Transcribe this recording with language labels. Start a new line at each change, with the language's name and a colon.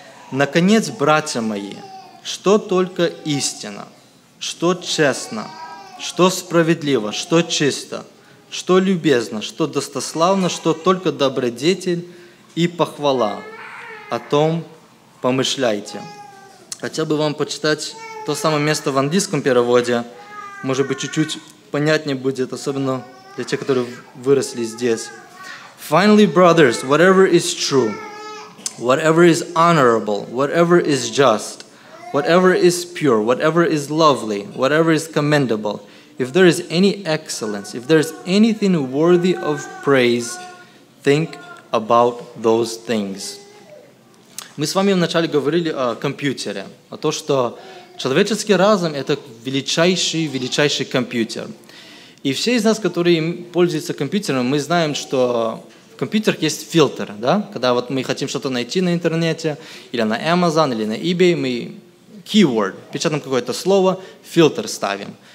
Russian: «Наконец, братья мои, что только истина, что честно, что справедливо, что чисто, что любезно, что достославно, что только добродетель и похвала, о том помышляйте». Хотел бы вам почитать то самое место в английском переводе, может быть, чуть-чуть понятнее будет, особенно для тех, которые выросли здесь.
English: Finally, brothers, whatever is true, whatever is honorable, whatever is just, whatever is pure, whatever is lovely, whatever is commendable, if there is any excellence, if there is anything worthy of praise, think about those things.
Russian: Мы с вами вначале говорили о компьютере, о том, что человеческий разум – это величайший компьютер. И все из нас, которые пользуются компьютером, мы знаем, что в компьютерах есть фильтр. Да? Когда вот мы хотим что-то найти на интернете, или на Amazon, или на eBay, мы keyword, печатаем какое-то слово, фильтр ставим.